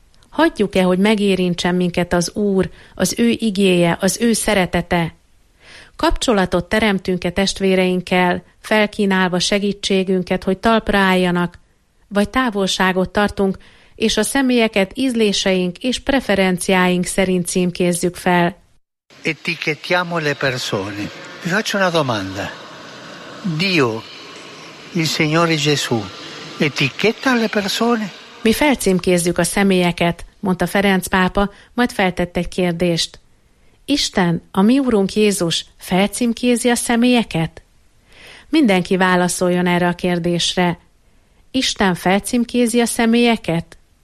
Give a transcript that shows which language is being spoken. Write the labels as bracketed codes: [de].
[hu] Hagyjuk-e, hogy megérintsen minket az Úr, az ő igéje, az ő szeretete? Kapcsolatot teremtünk-e testvéreinkkel, felkínálva segítségünket, hogy talpra álljanak, vagy távolságot tartunk, és a személyeket ízléseink és preferenciáink szerint címkézzük fel? [it] Etichettiamo le persone. Vi faccio una domanda. Dio, il Signore Gesù, etichetta le persone? [hu] Mi felcímkézzük a személyeket, mondta Ferenc pápa, majd feltette egy kérdést. Isten, a mi Úrunk Jézus, felcímkézi a személyeket? Mindenki válaszoljon erre a kérdésre. Isten felcímkézi a személyeket?